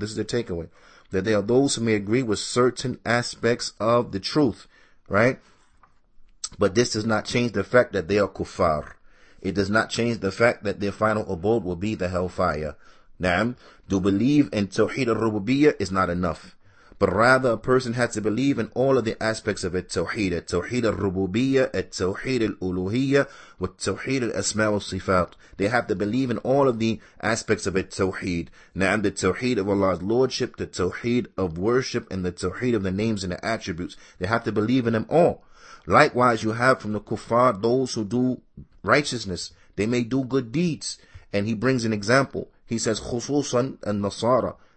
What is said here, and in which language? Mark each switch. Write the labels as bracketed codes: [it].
[en] This is the takeaway, that they are those who may agree with certain aspects of the truth, right? But this does not change the fact that they are kuffar. It does not change the fact that their final abode will be the hellfire. Naam, to believe in Tawheed al-Rububiyyah is not enough. But rather, a person has to believe in all of the aspects of التوحيد. [ar] التوحيد الربوبية, التوحيد الألوهية, والتوحيد الأسماء والصفات. [en] They have to believe in all of the aspects of التوحيد. Naam, the Tawheed of Allah's Lordship, the Tawheed of worship, and the Tawheed of the names and the attributes. They have to believe in them all. Likewise, you have from the kuffar those who do righteousness. They may do good deeds. And he brings an example. He says, [ar] خصوصاً النصارى.